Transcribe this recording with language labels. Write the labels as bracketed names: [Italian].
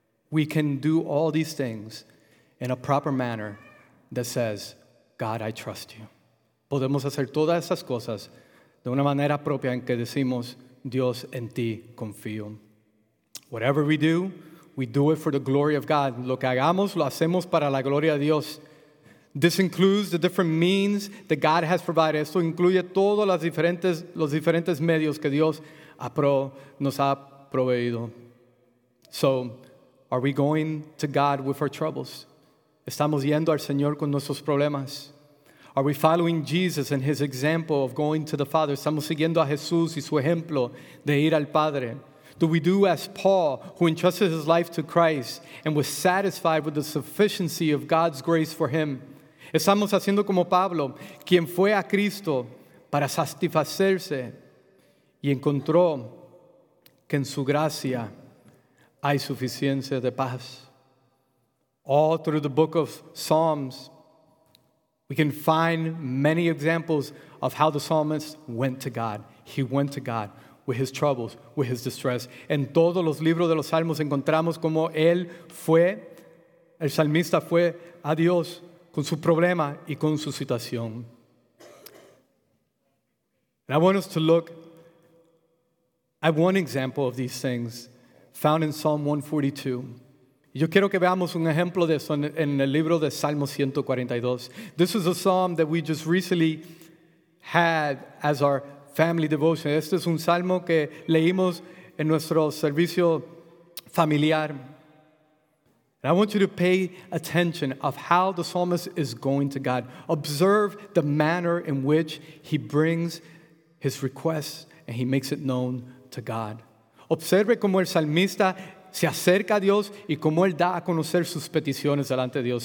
[English] We can do all these things in a proper manner that says, God, I trust you. [Spanish] Podemos hacer todas esas cosas de una manera propia en que decimos, Dios, en ti confío. [English] Whatever we do it for the glory of God. [Spanish] Lo que hagamos, lo hacemos para la gloria de Dios. [English] This includes the different means that God has provided. [Spanish] Esto incluye todos los diferentes medios que Dios nos ha proveído. [English] So, are we going to God with our troubles? [Spanish] ¿Estamos yendo al Señor con nuestros problemas? [English] Are we following Jesus and his example of going to the Father? [Spanish] ¿Estamos siguiendo a Jesús y su ejemplo de ir al Padre? [English] Do we do as Paul, who entrusted his life to Christ and was satisfied with the sufficiency of God's grace for him? [Spanish] ¿Estamos haciendo como Pablo, quien fue a Cristo para satisfacerse y encontró que en su gracia hay suficiencia de paz? [English] All through the book of Psalms, we can find many examples of how the psalmist went to God. He went to God with his troubles, with his distress. [Spanish] En todos los libros de los Salmos encontramos como él fue, el salmista fue a Dios con su problema y con su situación. [English] And I want us to look at one example of these things found in Psalm 142. [Spanish] Yo quiero que veamos un ejemplo de eso en el libro de Salmo 142. [English] This is a psalm that we just recently had as our family devotion. [Spanish] Este es un salmo que leímos en nuestro servicio familiar. [English] And I want you to pay attention of how the psalmist is going to God. Observe the manner in which he brings his requests and he makes it known to God. [Spanish] Observe cómo el salmista se acerca a Dios y cómo él da a conocer sus peticiones delante de Dios.